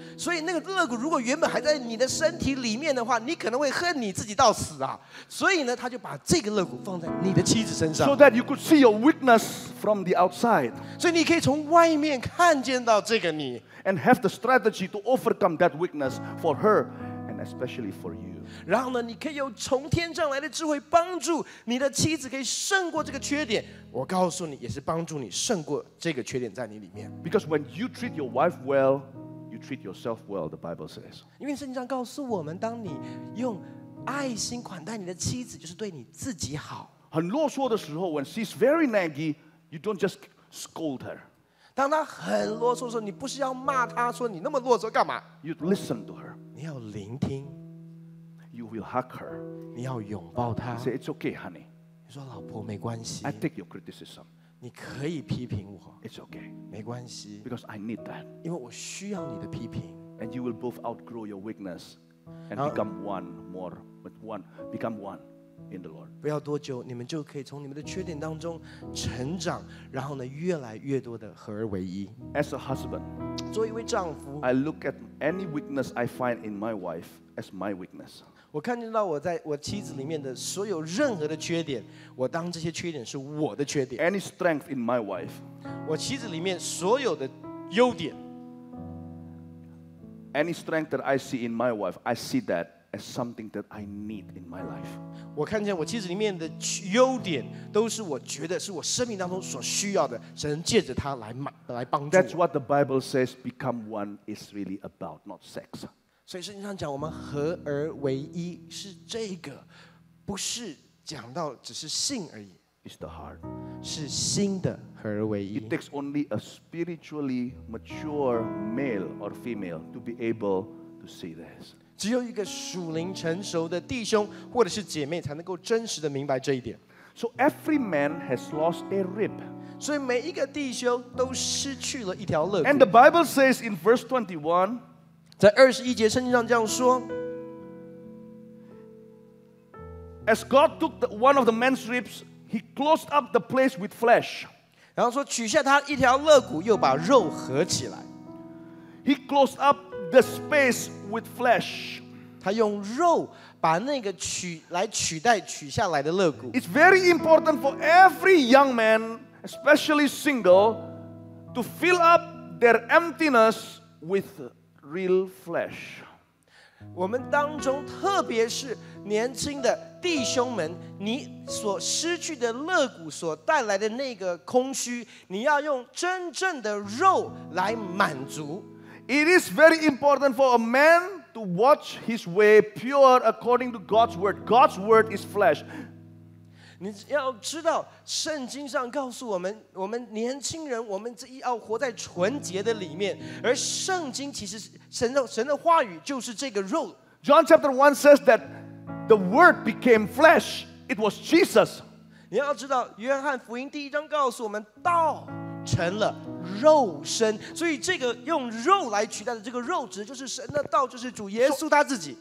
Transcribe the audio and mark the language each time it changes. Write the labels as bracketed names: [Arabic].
[Chinese] 所以那个肋骨如果原本还在你的身体里面的话，你可能会恨你自己到死啊。所以呢，他就把这个肋骨放在你的妻子身上。 [English] So that you could see your weakness from the outside. [Chinese] 所以你可以从外面看见到这个你。 [English] And have the strategy to overcome that weakness for her and especially for you. [Chinese] 然后呢，你可以有从天上来的智慧帮助你的妻子可以胜过这个缺点。我告诉你，也是帮助你胜过这个缺点在你里面。 [English] Because when you treat your wife well, you treat yourself well. The Bible says. [Chinese] 因为圣经告诉我们，当你用爱心款待你的妻子，就是对你自己好。很啰嗦的时候 [English] ，when she's very naggy, you don't just scold her. [Chinese] 当她很啰嗦的时候，你不是要骂她说你那么啰嗦干嘛 [English] ？You listen to her. [Chinese] 你要聆听。 [English] You will hug her. [Chinese] 你要拥抱她。 [English] Say it's okay, honey. [Chinese] 你说老婆没关系。 [English] I take your criticism. [Chinese] 你可以批评我。 [English] It's okay. [Chinese] 没关系。 [English] Because I need that. [Chinese] 因为我需要你的批评。 [English] And you will both outgrow your weakness and become one more, but one become one in the Lord. [Chinese] 不要多久，你们就可以从你们的缺点当中成长，然后呢，越来越多的合而为一。 [English] As a husband, [Chinese] 作为一位丈夫 [English] ，I look at any weakness I find in my wife as my weakness. [Chinese] 我看见到我在我妻子里面的所有任何的缺点，我当这些缺点是我的缺点。 [English] Any strength in my wife， [Chinese] 我妻子里面所有的优点。 [English] Any strength that I see in my wife， I see that as something that I need in my life。 [Chinese] 我看见我妻子里面的优点，都是我觉得是我生命当中所需要的，神借着她来帮助。 [English] That's what the Bible says. Become one is really about not sex. [Chinese] 所以圣经上讲，我们合而为一是这个，不是讲到只是性而已。 [English] It's the heart， [Chinese] 是心的合而为一。 [English] It takes only a spiritually mature male or female to be able to see this。 [Chinese] 只有一个属灵成熟的弟兄或者是姐妹才能够真实的明白这一点。 [English] So every man has lost a rib。 [Chinese] 所以每一个弟兄都失去了一条肋骨。 [English] And the Bible says in verse 21。 [Chinese] 在二十一节圣经上这样说 [English] ：As God took one of the man's ribs, He closed up the place with flesh. [Chinese] 然后说取下他一条肋骨，又把肉合起来。 [English] He closed up the space with flesh. [Chinese] 他用肉把那个取来取代取下来的肋骨。 [English] It's very important for every young man, especially single, to fill up their emptiness with real flesh. [Chinese] 我们当中，特别是年轻的弟兄们，你所失去的肋骨所带来的那个空虚，你要用真正的肉来满足。 [English] It is very important for a man to watch his way pure according to God's word. God's word is flesh. [Chinese] 你要知道，圣经上告诉我们，我们年轻人，我们要活在纯洁的里面。而圣经其实神的话语就是这个肉。 [English] John chapter 1 says that the word became flesh. It was Jesus. [Chinese] 你要知道，约翰福音第一章告诉我们，道成了肉身，所以这个用肉来取代的这个肉，指的就是神的道，就是主耶稣他自己。